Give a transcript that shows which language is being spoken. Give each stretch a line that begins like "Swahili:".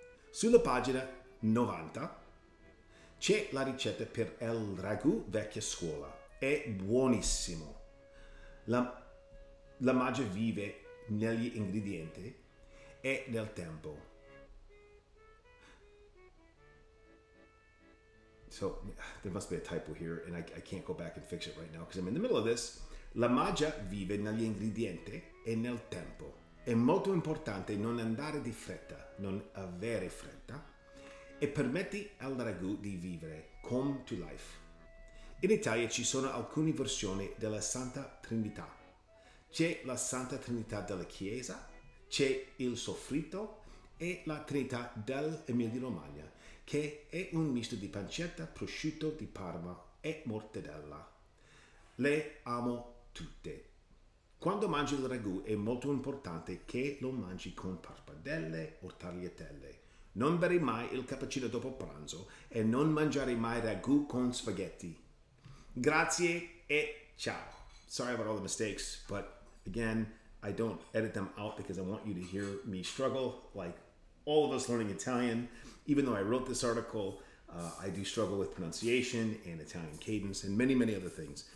Italian: Sulla pagina 90 c'è la ricetta per il ragù vecchia scuola. È buonissimo. La magia vive negli ingredienti e nel tempo.
English: So there must be a typo here and I can't go back and fix it right now because I'm in the middle of this.
Italian: La magia vive negli ingredienti e nel tempo. È molto importante non andare di fretta, non avere fretta, e permetti al ragù di vivere,
English: come to life.
Italian: In Italia ci sono alcune versioni della Santa Trinità. C'è la Santa Trinità della Chiesa, c'è il soffritto e la Trinità dell'Emilia Romagna, che è un misto di pancetta, prosciutto di Parma e mortadella. Le amo tutte. Quando mangi il ragù è molto importante che lo mangi con pappardelle o tagliatelle. Non bere mai il cappuccino dopo pranzo e non mangiare mai ragù con spaghetti. Grazie e ciao.
English: Sorry about all the mistakes, but again, I don't edit them out because I want you to hear me struggle like all of us learning Italian. Even though I wrote this article, I do struggle with pronunciation and Italian cadence and many, many other things.